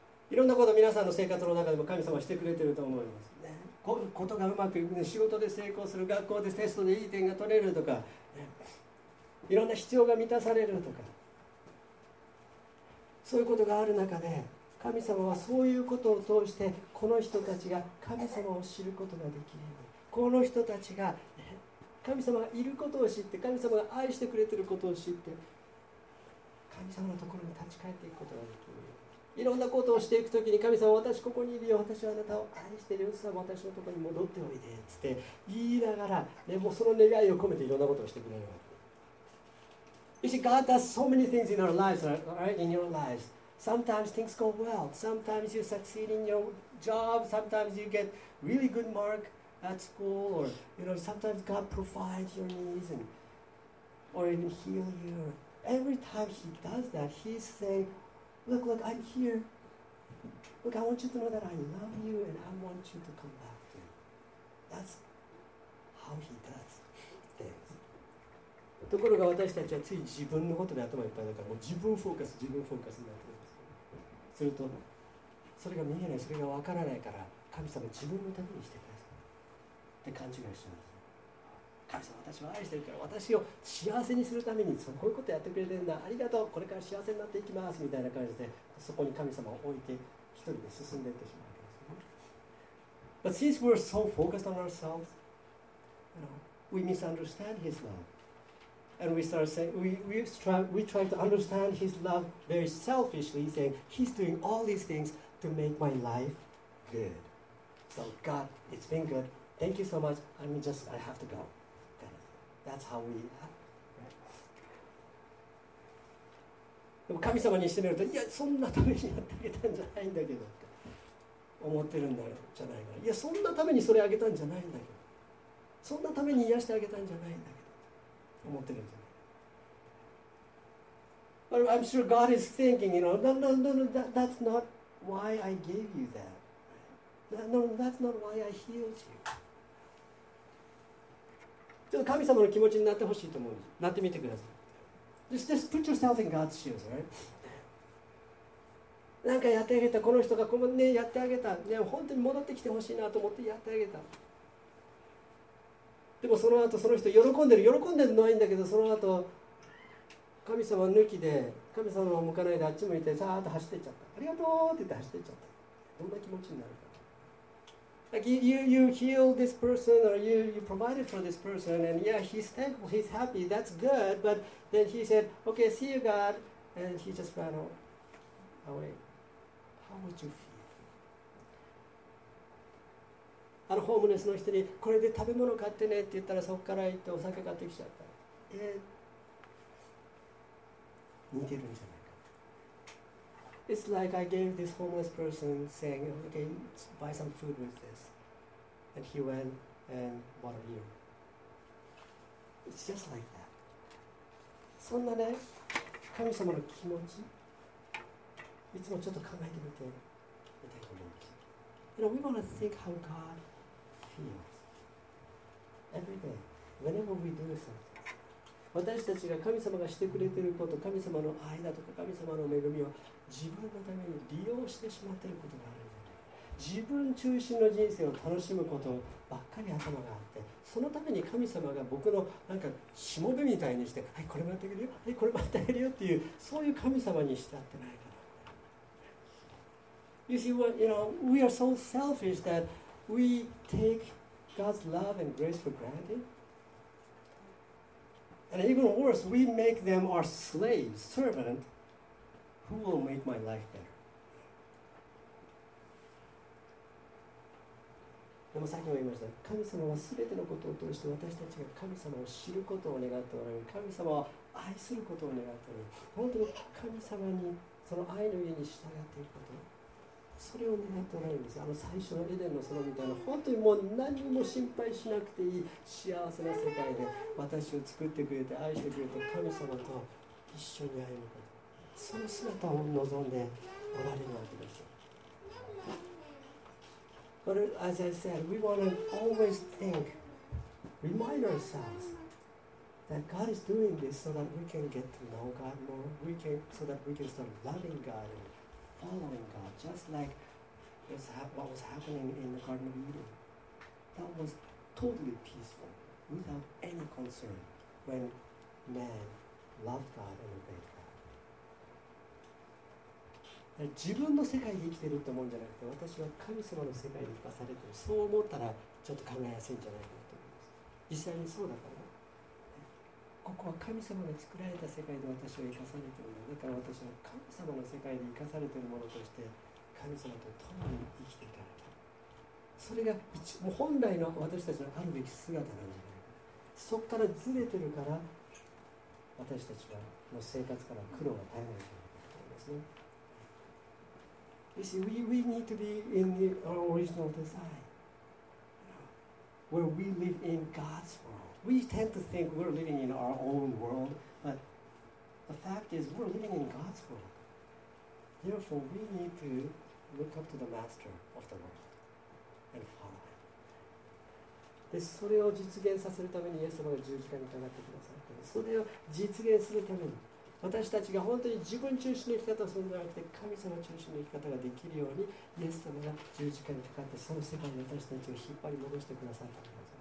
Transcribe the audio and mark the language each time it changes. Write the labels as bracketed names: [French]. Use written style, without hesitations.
[Japanese] いろんなこと皆さんの生活の中でも神様はしてくれていると思います、ね、ことがうまくいく、仕事で成功する、学校でテストでいい点が取れるとか、ね、いろんな必要が満たされるとか、そういうことがある中で神様はそういうことを通してこの人たちが神様を知ることができるように、この人たちが、ね、神様がいることを知って、神様が愛してくれていることを知って、神様のところに立ち返っていくことができる。いろんなことをしていくときに、神様私ここにいるよ、私はあなたを愛しているよ、さあ私のところに戻っておいでつって言いながら、ね、もうその願いを込めていろんなことをしてくれるわけ。 [English] You see, God does so many things in our lives, right? In your lives. Sometimes things go well. Sometimes you succeed in your job. Sometimes you get really good mark at school. Or, you know, sometimes God provides your needs and, or even heal you. Every time he does that, he's saying,Look, look, I'm here. Look, I want you to know that I love you and I want you to come back to me. That's how he does things. [Japanese] ところが私たちはつい自分のことで頭いっぱいだから、もう自分フォーカス、自分フォーカスになってるんです。すると、それが見えない、それが分からないから、神様自分のためにしてください。って勘違いしてます。神様、私は愛してるから、私を幸せにするためにこういうことやってくれてるんだ、ありがとう、これから幸せになっていきますみたいな感じで、そこに神様を置いて一人で進んでいってしまうわけですね。 [English] But since we're so focused on ourselves, you know, we misunderstand His love, and we start saying we try to understand His love very selfishly, saying He's doing all these things to make my life good. So God, it's been good. Thank you so much. I have to go. That's how we act, right? [Japanese] でも神様にしてみると、いや、そんなためにやってあげたんじゃないんだけどって思ってるんだろうじゃないか、いや、そんなためにそれあげたんじゃないんだけど、そんなために癒してあげたんじゃないんだけどって思ってるんじゃない。 [English] But I'm sure God is thinking, you know, that's not why I gave you that. That's not why I healed you. [Japanese] ちょっと神様の気持ちになってほしいと思うんです。なってみてください。 [English] Just put yourself in God's shoes, right? [Japanese] なんかやってあげた、この人がこの、ね、やってあげた、ね、本当に戻ってきてほしいなと思ってやってあげた。でもその後その人喜んでる、喜んでるのはいいんだけど、その後神様抜きで、神様を向かないであっち向いてさーっと走っていっちゃった。ありがとうって言って走っていっちゃった。どんな気持ちになるか。 [English] Like you healed this person or you provided for this person and yeah, he's thankful, he's happy, that's good. But then he said, okay, see you God. And he just ran away. How would you feel? [Japanese] あのホームレスの人にこれで食べ物買ってねって言ったら、そこから行ってお酒買ってきちゃった。似てるんじゃない。 [English] It's like I gave this homeless person saying, okay, buy some food with this. And he went and bought a beer. It's just like that. [Japanese] そんなね、神様の気持ち、いつもちょっと考えてみてみたいな。 [English] You know, we want to think how God feels every day, whenever we do something. [Japanese] 私たちが神様がしてくれていること、神様の愛だとか神様の恵みを自分のために利用してしまっていることがあるので、自分中心の人生を楽しむことばっかり頭があって、そのために神様が僕のなんかしもべみたいにして、はい、これもやってあげるよ、はい、これもやってあげるよっていう、そういう神様にしてあってないから。 [English] You see, what, you know, we are so selfish that we take God's love and grace for granted. And even worse, we make them our slaves, servant, who will make my life better. [Japanese] でもさっきも言いました。神様はすべてのことを通して私たちが神様を知ることを願っておられる。神様を愛することを願っておられる。本当に神様にその愛の家に従っていること。それを願っておられるんです。あの最初のエデンの園みたいな、本当にもう何も心配しなくていい幸せな世界で私を作ってくれて愛してくれて神様と一緒に歩むこと、その姿を望んでおられるわけです。 [English] But as I said, we want to always think, remind ourselves that God is doing this so that we can get to know God more, we can, so that we can start loving God andfollowing God, just like this, what was happening in the Garden of Eden. That was totally peaceful, without any concern, when man loved God and obeyed God. [Japanese] 自分の世界で生きてるってもんじゃなくて、私は神様の世界で生かされてる。そう思ったら、ちょっと考えやすいんじゃないかなと思います。実際にそうだから、ここは神様が作られた世界で私は生かされているんだ。だから私は神様の世界で生かされているものとして神様と共に生きていかなきゃ。それが一もう本来の私たちのあるべき姿なんじゃないか。そこからずれてるから私たちはもう生活から苦労が絶えないんじゃないかと思いますね。 [English] You see, we need to be in the original design, where we live in God's world. We tend to think we're living in our own world, but the fact is we're living in God's world. Therefore, we need to look up to the master of the world and follow him. [Japanese] で、それを実現させるためにイエス様が十字架にかかってくださって、それを実現するために私たちが本当に自分中心の生き方をするのではなくて、神様中心の生き方ができるようにイエス様が十字架にかかって、その世界に私たちを引っ張り戻してくださった。